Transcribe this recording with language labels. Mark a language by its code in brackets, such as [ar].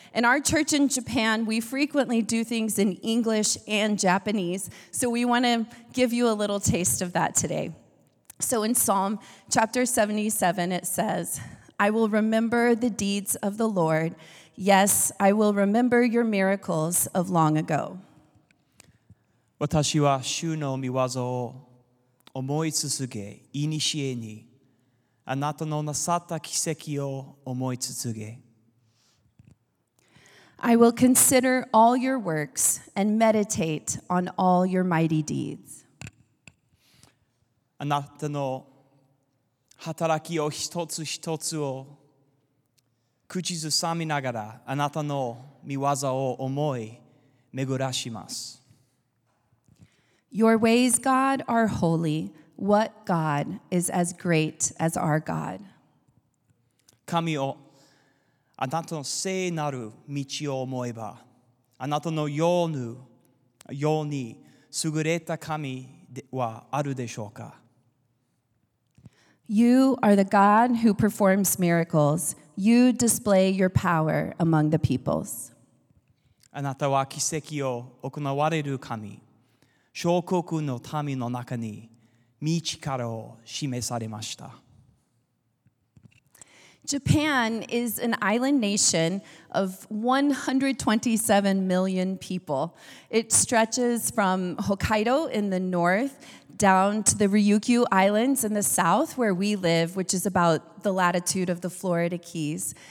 [en] In our church in Japan, we frequently do things in English and Japanese, so we want to give you a little taste of that today. So in Psalm chapter 77, it says, "I will remember the deeds of the Lord. Yes, I will remember your miracles of long ago." [ja] 私は主の御業を思い続け、いにしえにあなたのなさった奇跡を思い続け。 [en] I will consider all your works and meditate on all your mighty deeds. [ja] あなたの働きを一つ一つを口ずさみながらあなたの御業を思い巡らします。 [en] Your ways, God, are holy. What God is as great as our God? [ja] 神よ、あなたの聖なる道を思えば、あなたのように優れた神はあるでしょうか? [en] You are the God who performs miracles. You display your power among the peoples. [ja] あなたは奇跡を行われる神。小国の民の中に身力を示されました。 [en] Japan is an island nation of 127 million people. It stretches from Hokkaido in the north down to the Ryukyu Islands in the south where we live, which is about the latitude of the Florida Keys.